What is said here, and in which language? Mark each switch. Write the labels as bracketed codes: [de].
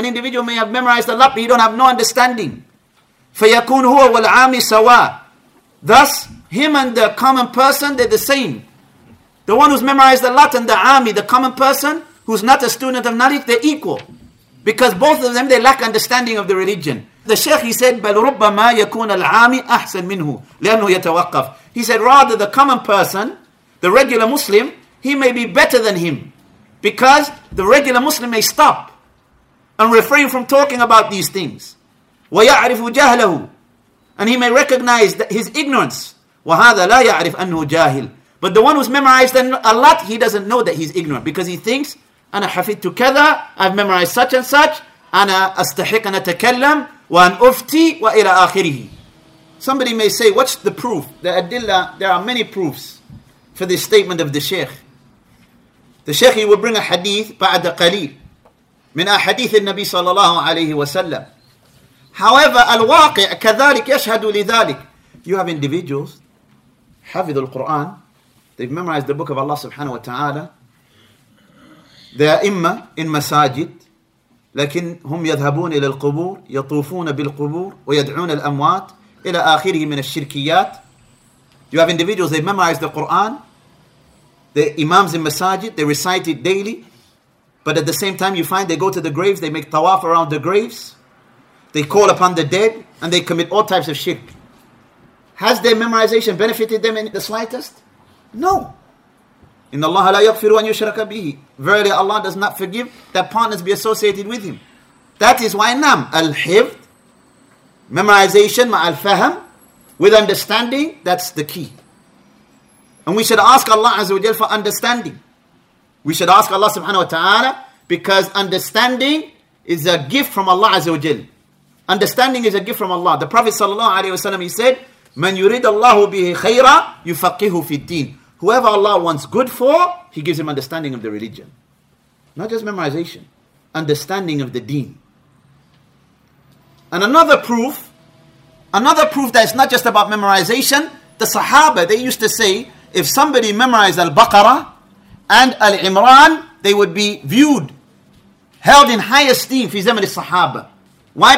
[en] An individual may have memorized a lot, but he don't have no understanding. [ar] فيكون هو والعامي سواء. [en] Thus, him and the common person, they're the same. The one who's memorized a lot and the army, the common person, who's not a student of knowledge, they're equal. Because both of them, they lack understanding of the religion. The Sheikh, he said, [ar] بَلْ رُبَّمَا يَكُونَ الْعَامِ أَحْسَن مِنْهُ لِأَنْهُ يَتَوَقَّفْ. [en] He said, rather the common person, the regular Muslim, he may be better than him. Because the regular Muslim may stop and refrain from talking about these things. [ar] وَيَعْرِفُ جَهْلَهُ. [en] And he may recognize that his ignorance. [ar] وَهَذَا لَا يَعْرِفْ أَنْهُ جَاهِلْ. [en] But the one who's memorized a lot, he doesn't know that he's ignorant. Because he thinks, [ar] أَنَا حَفِدْتُ كَذَا. [en] I've memorized such and such. [ar] أَنَا أَسْتَحِقْ أَنَا تَكَلَّمْ. وَأَنْأُفْتِي وَإِلَىٰ آخِرِهِ. [en] Somebody may say, what's the proof? The Adilla, there are many proofs for this statement of the Shaykh. The Shaykh, he will bring a hadith [ar] بعد قليل من أحاديث النبي صلى الله عليه وسلم. However, الواقع كذلك يشهد لذلك. [en] You have individuals, [ar] حفظ القرآن, [en] they've memorized the book of Allah subhanahu wa ta'ala. They are [ar] إما [en] in masajid, [ar] لكن هم يذهبون إلى القبور يطوفون بالقبور ويدعون الأموات إلى آخره من الشركيات. [en] You have individuals, they memorize the Quran, the imams in masajid, they recite it daily, but at the same time you find they go to the graves, they make tawaf around the graves, they call upon the dead, and they commit all types of shirk. Has their memorization benefited them in the slightest? No. [ar] إن الله لا يغفر أن يشرك به. [en] Verily Allah does not forgive that partners be associated with him. That is why [ar] نعم الحفظ, [en] memorization [ar] مع الفهم, [en] with understanding, that's the key. And we should ask Allah عز وجل for understanding. We should ask Allah subhanahu wa ta'ala, because understanding is a gift from Allah عز وجل. Understanding is a gift from Allah. The Prophet صلى الله عليه وسلم, he said, [ar] من يريد الله به خيرا يفقه في الدين. [en] Whoever Allah wants good for, he gives him understanding of the religion. Not just memorization. Understanding of the deen. And another proof that it's not just about memorization, the Sahaba, they used to say, if somebody memorized Al-Baqarah and Al-Imran, they would be viewed, held in high esteem fi zaman al-Sahaba. Why?